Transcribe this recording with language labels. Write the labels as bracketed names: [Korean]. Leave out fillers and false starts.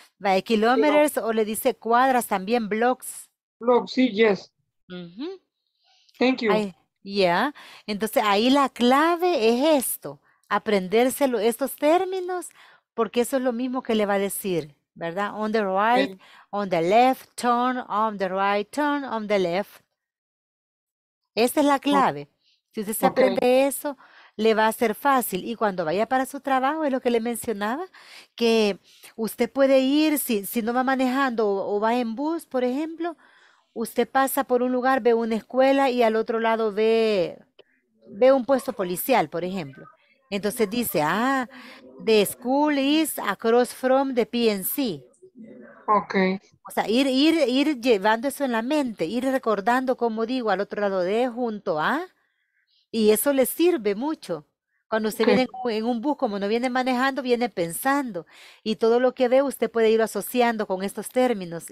[Spanish] Vaya, kilometers o le dice cuadras también, blocks. [English] Blocks, sí, yes. Thank you. [Spanish] Entonces ahí la clave es esto, aprendérselo estos términos, porque eso es lo mismo que le va a decir. ¿Verdad? [English] On the right, on the left, turn on the right, turn on the left. [Spanish] Esa es la clave. Si usted se aprende eso, le va a ser fácil. Y cuando vaya para su trabajo, es lo que le mencionaba, que usted puede ir, si no va manejando o va en bus, por ejemplo, usted pasa por un lugar, ve una escuela y al otro lado ve un puesto policial, por ejemplo. Entonces dice, [English] the school is across from the PNC. Ok. [Spanish] O sea, ir llevando eso en la mente, ir recordando, como digo, al otro lado de, junto a, y eso le sirve mucho. Cuando usted viene en un bus, como no viene manejando, viene pensando. Y todo lo que ve, usted puede ir asociando con estos términos.